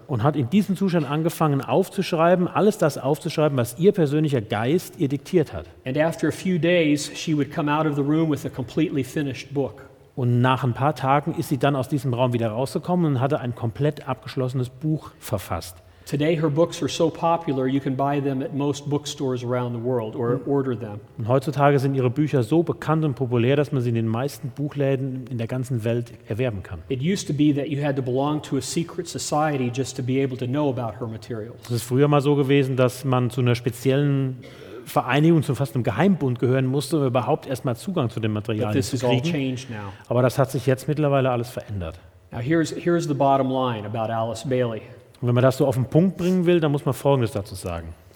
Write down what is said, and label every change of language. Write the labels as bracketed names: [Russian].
[German] Und hat in diesem Zustand angefangen aufzuschreiben, alles das aufzuschreiben, was ihr persönlicher Geist ihr diktiert hat. [English] And after a few days, she would come out of the room with a completely finished book. [German] Und nach ein paar Tagen ist sie dann aus diesem Raum wieder rausgekommen und hatte ein komplett abgeschlossenes Buch verfasst. [English] Today her books are so popular you can buy them at most bookstores around the world or order them. [German] Und heutzutage sind ihre Bücher so bekannt und populär, dass man sie in den meisten Buchläden in der ganzen Welt erwerben kann. [English] It used to be that you had to belong to a secret society just to be able to know about her materials. [German] Es ist früher mal so gewesen, dass man zu einer speziellen Vereinigung, zu fast einem Geheimbund gehören musste, um überhaupt erstmal Zugang zu den Materialien zu kriegen. [English] This has all changed now. [German] Aber das hat sich jetzt mittlerweile alles verändert. [English] Now here's the bottom line about Alice Bailey. [German] Und wenn man das so auf den Punkt bringen will, dann muss man Folgendes dazu sagen.